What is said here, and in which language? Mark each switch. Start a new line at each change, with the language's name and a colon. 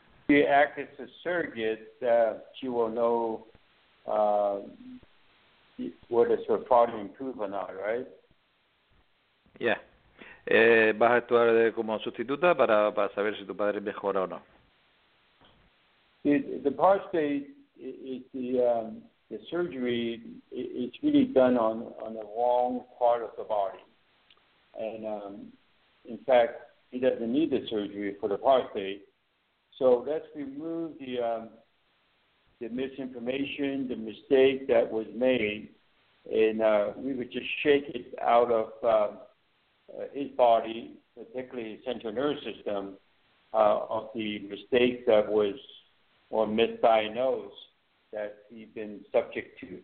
English: She acts as a surrogate, she will know whether her father improved or not, right? Yeah.
Spanish: Vas a actuar como sustituta para saber si tu padre mejora o no.
English: The prostate the surgery, it's really done on the wrong part of the body. And in fact, he doesn't need the surgery for the prostate. So let's remove the misinformation, the mistake that was made, and we would just shake it out of his body, particularly his central nervous system, of the mistake that was or misdiagnosed that he'd been subject to.